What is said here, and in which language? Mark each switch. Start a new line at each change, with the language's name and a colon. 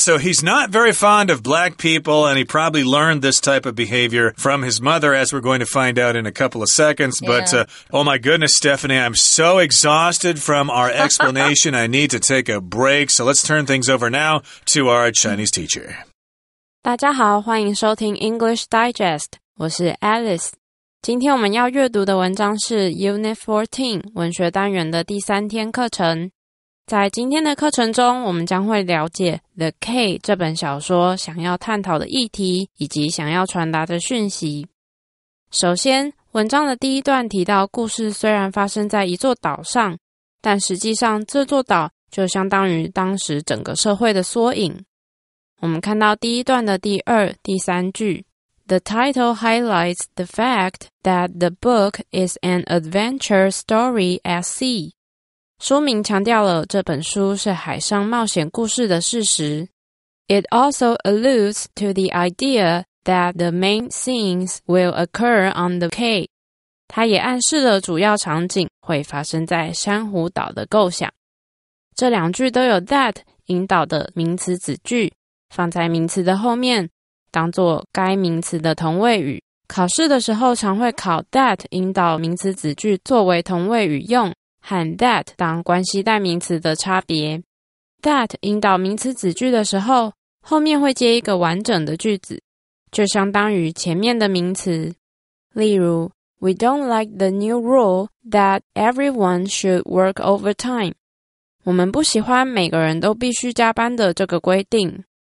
English: So he's not very fond of black people, and he probably learned this type of behavior from his mother, as we're going to find out in a couple of seconds. Yeah. But, oh my goodness, Stephanie, I'm so exhausted from our explanation. I need to take a break. So let's turn things over now to our Chinese teacher.
Chinese: 大家好，欢迎收听 English Digest. 我是 Alice. 今天我们要阅读的文章是 Unit 14 文学单元的第三天课程。在今天的课程中，我们将会了解 The K 这本小说想要探讨的议题以及想要传达的讯息。首先，文章的第一段提到，故事虽然发生在一座岛上，但实际上这座岛就相当于当时整个社会的缩影。我们看到第一段的第二、第三句。
English: The title highlights the fact that the book is an adventure story at sea.
Chinese: 书名强调了这本书是海上冒险故事的事实。
English: It also alludes to the idea that the main scenes will occur on the quay.
Chinese: 它也暗示了主要场景会发生在珊瑚岛的构想。这两句都有 that 引导的名词子句，放在名词的后面当作该名词的同位语，考试的时候常会考 that 引导名词子句作为同位语用，和 that 当关系代名词的差别。 That 引导名词子句的时候，后面会接一个完整的句子，就相当于前面的名词。例如
English: ，We don't like the new rule that everyone should work overtime.
Chinese: 我们不喜欢每个人都必须加班的这个规定。